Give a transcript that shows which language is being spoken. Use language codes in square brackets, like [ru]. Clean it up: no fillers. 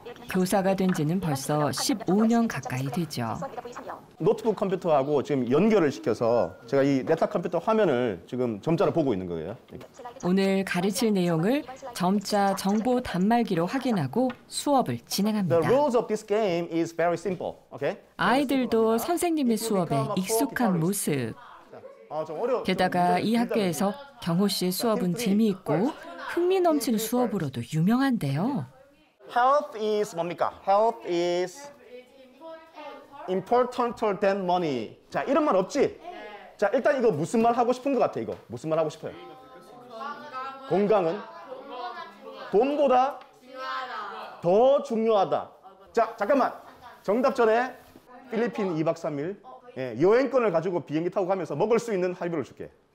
[ko] 교사가 된 지는 벌써 15년 가까이 되죠. 노트북 컴퓨터하고 지금 연결을 시켜서 제가 이 네트워크 컴퓨터 화면을 지금 점자로 보고 있는 거예요. 오늘 가르칠 내용을 점자 정보 단말기로 확인하고 수업을 진행합니다. [en] The rules of this game is very simple. Okay? [ko] 아이들도 선생님의 수업에 익숙한 모습. 게다가 이 학교에서 경호 씨의 수업은 재미있고 흥미 넘치는 수업으로도 유명한데요. [en] Health is [ko] 뭡니까? [en] Health is importanter than money. [ko] 자, 이런 말 없지? 네. 자, 일단 이거 무슨 말 하고 싶은 것 같아, 이거? 무슨 말 하고 싶어요? 건강은? 돈보다 중요하다. 더 중요하다. 자, 잠깐만. 정답 전에 필리핀 2박 3일 예, 여행권을 가지고 비행기 타고 가면서 먹을 수 있는 할인을 줄게.